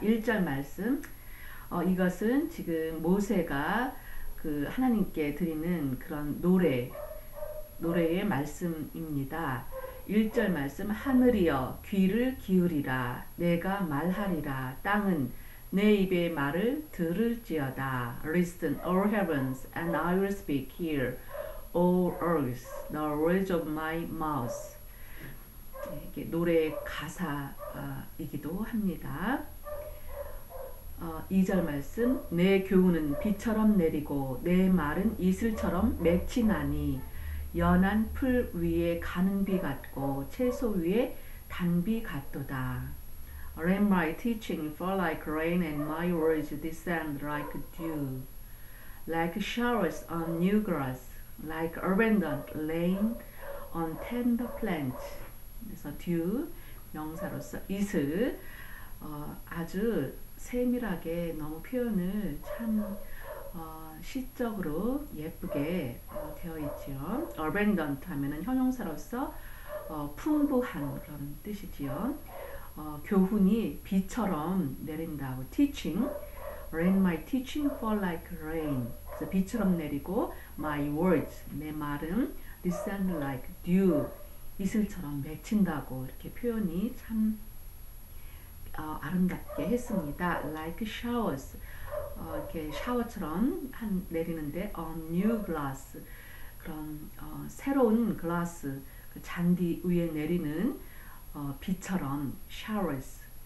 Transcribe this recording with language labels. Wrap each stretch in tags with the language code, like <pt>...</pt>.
<ko>1절 말씀, 이것은 지금 모세가 그 하나님께 드리는 그런 노래의 말씀입니다. 1절 말씀, 하늘이여 귀를 기울이라. 내가 말하리라. 땅은 내 입의 말을 들을지어다.</ko> <en>Listen, all heavens, and I will speak here. All earth, the words of my mouth.</en> <ko>이게 노래 가사이기도 합니다. 2절 말씀, 내 교훈은 비처럼 내리고 내 말은 이슬처럼 맺히나니 연한 풀 위에 가는 비 같고 채소 위에 단비 같도다.</ko> <en>Let my teaching fall like rain and my words descend like dew, like showers on new grass, like abundant rain on tender plants.</en> <ko>그래서 dew, 명사로서 이슬, 아주 세밀하게 너무 표현을 참 시적으로 예쁘게 되어 있지요. Abundant 하면은 형용사로서 풍부한 그런 뜻이지요. 교훈이 비처럼 내린다고 teaching, rain</ko> <en>my teaching fall like rain.</en> <ko>그래서 비처럼 내리고</ko> <en>my words</en> <ko>내 말은</ko> <en>descend like dew</en> <ko>이슬처럼 맺힌다고 이렇게 표현이 참 아름답게 했습니다.</ko> <en>Like showers</en> <ko>이렇게 샤워처럼 한 내리는데</ko> <en>on new glass</en> <ko>그런 새로운 glass 그 잔디 위에 내리는 비처럼 showers</ko>